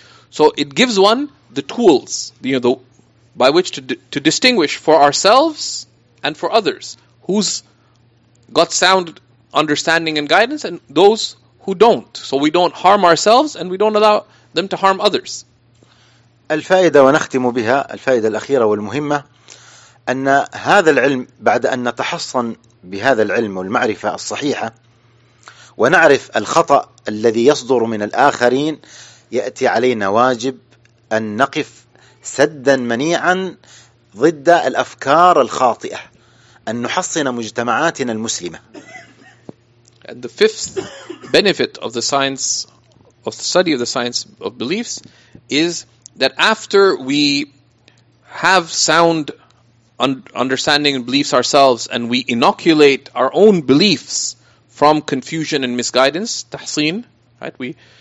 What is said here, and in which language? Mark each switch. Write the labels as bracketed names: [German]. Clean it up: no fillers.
[English] So it gives one the tools, you know, by which to distinguish for ourselves and for others, who's got sound understanding and guidance, and those who don't. So we don't harm ourselves and we don't allow them to harm others. [Arabic] الفائدة ونختم بها الفائدة الأخيرة والمهمة أن هذا العلم بعد أن نتحصن بهذا العلم والمعرفة الصحيحة ونعرف الخطأ الذي يصدر من الآخرين يأتي علينا واجب أن نقف سدا منيعا ضد الأفكار الخاطئة أن نحصن مجتمعاتنا المسلمة. [English] And the fifth benefit of the science of the study of the science of beliefs is that after we have sound understanding and beliefs ourselves and we inoculate our own beliefs from confusion and misguidance, tahsin, right?